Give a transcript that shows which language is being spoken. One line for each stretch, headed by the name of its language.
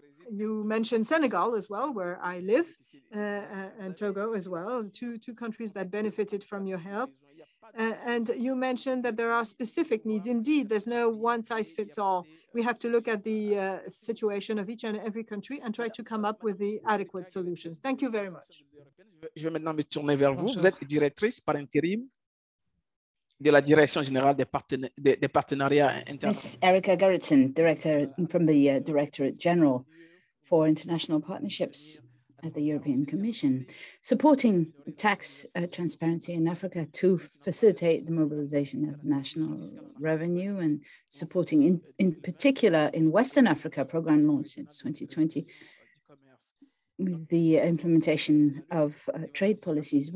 English: You mentioned Senegal as well, where I live, and Togo as well, two countries that benefited from your help. And you mentioned that there are specific needs. Indeed, there's no one size fits all. We have to look at the situation of each and every country and try to come up with the adequate solutions. Thank you very much.
French: Je vais maintenant me tourner vers vous. Vous êtes directrice par intérim de la Direction générale des partenariats internationaux.
English: Miss Erica Gerritsen, director from the Directorate General for International Partnerships at the European Commission, supporting tax transparency in Africa to facilitate the mobilization of national revenue and supporting, in particular, in Western Africa, program launched in 2020, with the implementation of trade policies.